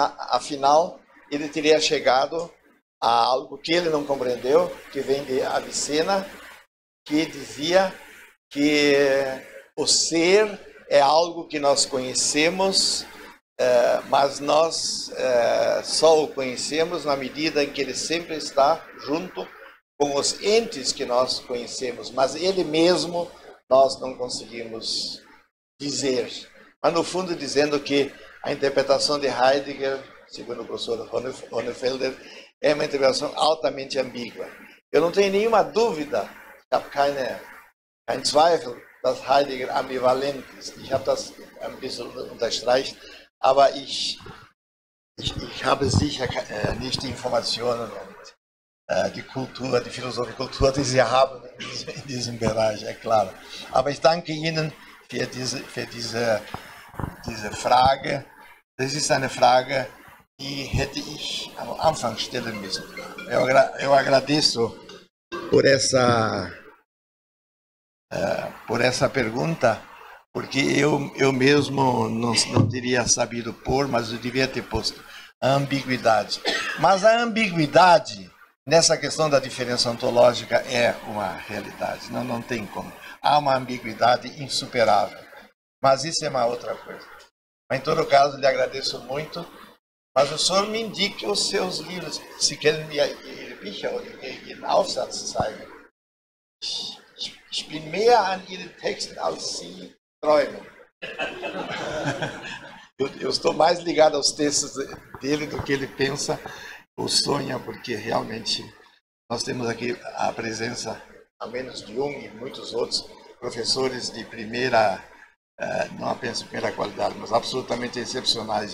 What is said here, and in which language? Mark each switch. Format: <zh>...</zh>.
<pt>afinal ele teria chegado a algo que ele não compreendeu, que vem de Avicenna, que dizia que o ser é algo que nós conhecemos, mas nós só o conhecemos na medida em que ele sempre está junto com os entes que nós conhecemos, mas ele mesmo nós não conseguimos dizer. Mas no fundo dizendo que a interpretação de Heidegger, segundo o professor Hohenfelder, é uma interpretação altamente ambígua. Eu não tenho nenhuma dúvida,</pt> <de>ich habe keinen Zweifel, dass Heidegger ambivalent ist. Ich habe das ein bisschen unterstreicht, aber ich habe sicher nicht die Informationen und die Kultur, die philosophische Kultur, die Sie haben in diesem Bereich, ja klar. Aber ich danke Ihnen für diese Frage. Das ist eine Frage, die hätte ich am Anfang stellen müssen.</de> <pt>Eu agradeço por essa pergunta, porque eu mesmo não teria sabido pôr, mas eu devia ter posto a ambiguidade. Mas a ambiguidade nessa questão da diferença ontológica é uma realidade, não tem como. Há uma ambiguidade insuperável, mas isso é uma outra coisa. Mas, em todo caso, lhe agradeço muito, mas o senhor me indique os seus livros, se quer me ir bicha ou ir na</pt> <de>Aufsatz zeigen. Ich bin mehr an Ihren Texten als Sie träumen.</de> <pt>Eu estou mais ligado aos textos dele do que ele pensa ou sonha, porque realmente nós temos aqui a presença, ao menos de um e muitos outros, professores de primeira, não apenas de primeira qualidade, mas absolutamente excepcionais.</pt>